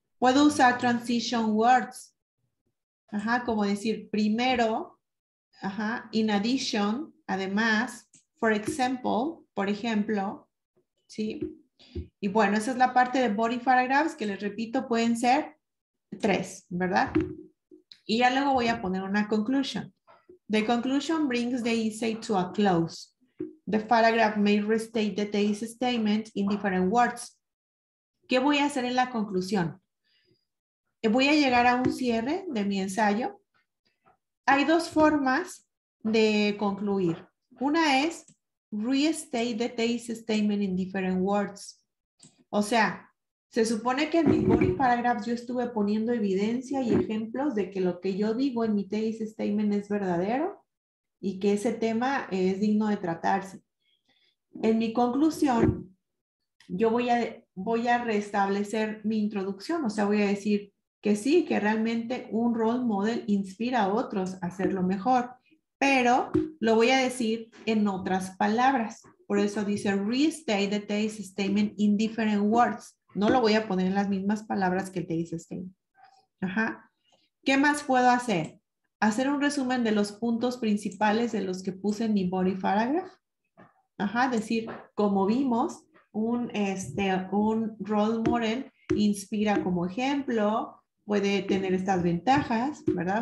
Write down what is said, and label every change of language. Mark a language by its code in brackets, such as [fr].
[es] Puedo usar transition words. Ajá, como decir, primero, [en] In addition, [es] además, [en] for example, [es] por ejemplo, ¿sí? Y bueno, esa es la parte de body paragraphs que les repito, pueden ser tres, ¿verdad? Y ya luego voy a poner una conclusion. [en] The conclusion brings the essay to a close. The paragraph may restate the thesis statement in different words. [es] ¿Qué voy a hacer en la conclusión? Voy a llegar a un cierre de mi ensayo. Hay dos formas de concluir. Una es [en] restate the thesis statement in different words. [es] O sea, se supone que en mi body paragraph yo estuve poniendo evidencia y ejemplos de que lo que yo digo en mi thesis statement es verdadero y que ese tema es digno de tratarse. En mi conclusión, yo voy a restablecer mi introducción. O sea, voy a decir que sí, que realmente un role model inspira a otros a hacerlo mejor. Pero lo voy a decir en otras palabras. Por eso dice [en] restate the thesis statement in different words. [es] No lo voy a poner en las mismas palabras que el thesis statement. Ajá. ¿Qué más puedo hacer? Hacer un resumen de los puntos principales de los que puse en mi body paragraph. Ajá. Decir, como vimos, un role model inspira como ejemplo, puede tener estas ventajas, ¿verdad?